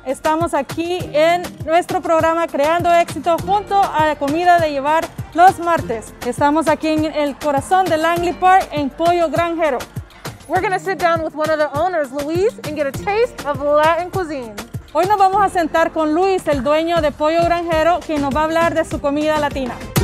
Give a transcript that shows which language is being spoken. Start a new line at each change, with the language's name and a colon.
Spanish: Estamos aquí en nuestro programa Creando Éxito junto a la comida de llevar los martes. Estamos aquí en el corazón de Langley Park en Pollo Granjero.
English: We're going to sit down with one of the owners, Luis, and get a taste of Latin cuisine.
Spanish: Hoy nos vamos a sentar con Luis, el dueño de Pollo Granjero, quien nos va a hablar de su comida latina.